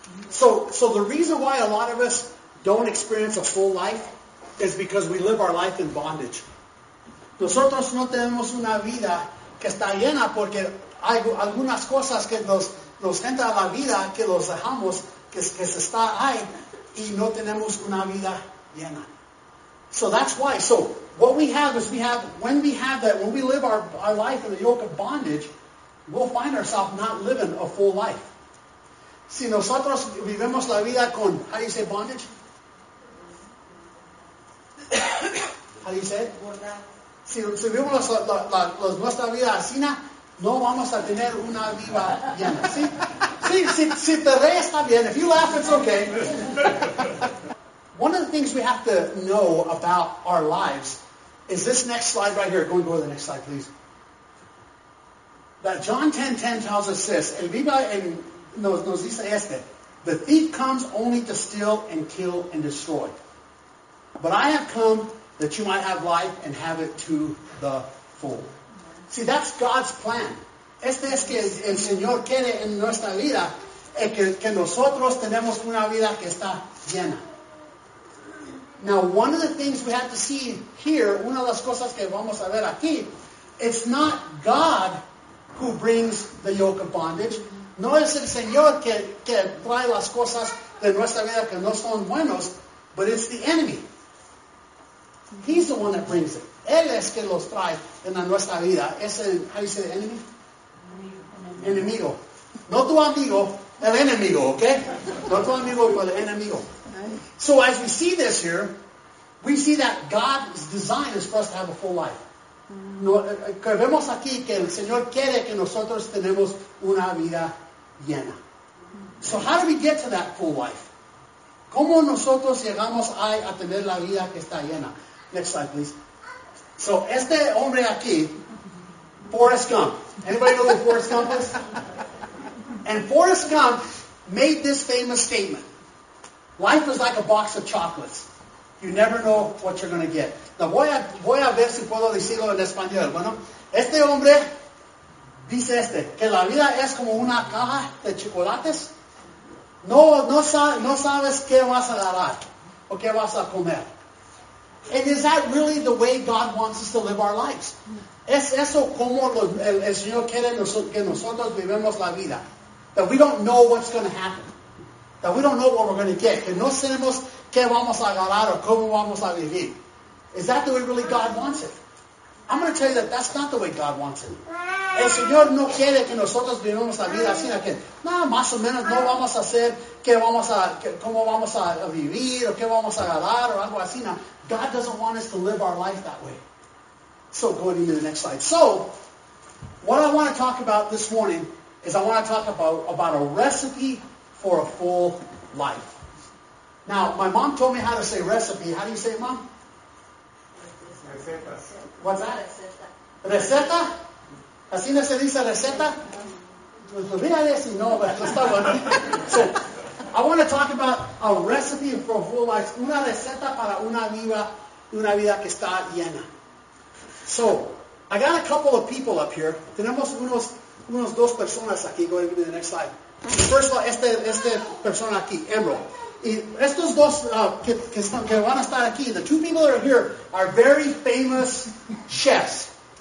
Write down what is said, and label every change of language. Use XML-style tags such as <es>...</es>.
<en>So the reason why a lot of us don't experience a full life is because we live our life in bondage.</en> <es>Nosotros no tenemos una vida que está llena porque hay algunas cosas que nos entra a la vida que los dejamos que se está ahí y no tenemos una vida llena.</es> <en>So that's why. So what we have is when we live our life in the yoke of bondage, we'll find ourselves not living a full life.</en> <es>Si nosotros vivimos la vida con, how do you say bondage?</es> <en>How do you say it?</en> <es>Si vivimos nuestra vida así, no vamos a tener una vida llena. ¿Sí? Si te re está bien. If you laugh, it's okay.</es> <en>One of the things we have to know about our lives is this next slide right here. Go to the next slide, please. That John 10:10 tells us this. El viva en... Nos dice este, the thief comes only to steal and kill and destroy. But I have come that you might have life and have it to the full. Amen. See, that's God's plan.</en> <es>Este es que el Señor quiere en nuestra vida que nosotros tenemos una vida que está llena.</es> <en>Now, one of the things we have to see here, una de las cosas que vamos a ver aquí, it's not God who brings the yoke of bondage.</en> <es>No es el Señor que trae las cosas de nuestra vida que no son buenos, but it's the enemy. He's the one that brings it. Él es que los trae en la nuestra vida. Es el, how do you say the enemy? Enemigo. No tu amigo, el enemigo, okay? No tu amigo, pero el enemigo.</es> <en>So as we see this here, we see that God's design is for us to have a full life.</en> <es>Vemos aquí que el Señor quiere que nosotros tenemos una vida llena.</es> <en>So how do we get to that full life?</en> <es>¿Cómo nosotros llegamos a tener la vida que está llena? Next slide, please. So este hombre aquí,</es> <en>Forrest Gump. Anybody know who Forrest Gump is? And Forrest Gump made this famous statement. Life is like a box of chocolates. You never know what you're going to get.</en> <es>Now, voy a ver si puedo decirlo en español. Bueno, este hombre dice este, que la vida es como una caja de chocolates. No sabes qué vas a agarrar o qué vas a comer.</es> <en>And is that really the way God wants us to live our lives?</en> <es>¿Es eso como el Señor quiere que nosotros vivamos la vida?</es> <en>That we don't know what's going to happen. That we don't know what we're going to get.</en> <es>Que no sabemos qué vamos a agarrar o cómo vamos a vivir.</es> <en>Is that the way really God wants it? I'm going to tell you that that's not the way God wants it.</en> <es>El Señor no quiere que nosotros vivamos la vida así. Que, no, más o menos no vamos a hacer qué vamos a, cómo vamos a vivir o qué vamos a agarrar o algo así.</es> <en>No, God doesn't want us to live our life that way. So going into the next slide. So what I want to talk about this morning is I want to talk about a recipe for a full life. Now, my mom told me how to say recipe. How do you say it, Mom?</en> <es>Receta. What's that? Receta. Receta? ¿Así no se dice receta?</es> <en>So, I want to talk about a recipe for a full life.</en> <es>Una receta para una vida que está llena.</es> <en>So, I got a couple of people up here. Tenemos unos dos personas aquí. Go ahead and give me the next slide. First of all, este persona aquí, Emerald. Y estos dos que van a estar aquí, the two people that are here are very famous chefs.</en>